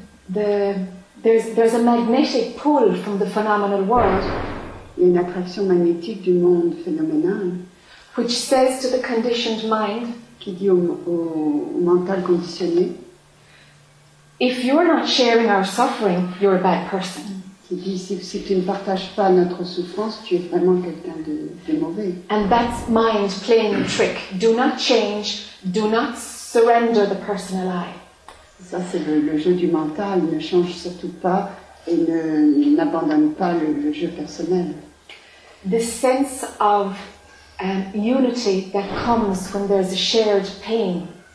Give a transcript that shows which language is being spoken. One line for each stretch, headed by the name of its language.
English: There's a magnetic pull from the phenomenal world.
French: Il y a une attraction magnétique du monde phénoménal.
English: Which says to the conditioned mind.
French: Qui dit au mental conditionné.
English: If you're not sharing our suffering, you're a bad person.
French: Qui dit si tu ne partages pas notre souffrance, tu es vraiment quelqu'un de mauvais.
English: And that's mind playing a trick. Do not change, do not surrender the personal I.
French: Ça c'est le jeu du mental, ne change surtout pas et n'abandonne pas le jeu personnel.
English: The sense of unity that comes when there's a shared pain.